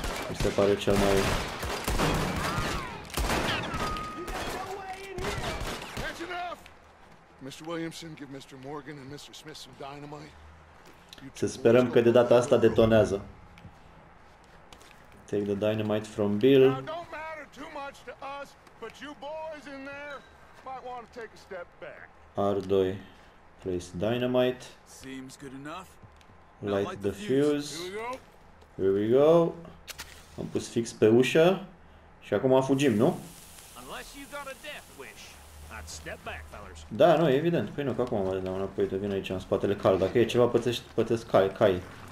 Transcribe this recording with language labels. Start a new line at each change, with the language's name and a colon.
Romanian: Mi se pare cel mai...
English: Mr. Williamson, give Mr. Morgan and Mr. Smith some dynamite.
Romanian: Să sperăm că de data asta detonează.
English: Take the dynamite from Bill. Don't matter too much to us, but you boys in there might want to take a step back. R2, place dynamite. Seems good enough. Light the fuse. Here we go.
Romanian: Am pus fix pe ușă și acum fugim, nu?
English: Unless you got a death wish. Step back, fellas.
Romanian: Da, nu, evident. Păi nu, că acum mă dau înapoi, te vin aici în spatele cal. Dacă e ceva, pătesc cai, cai.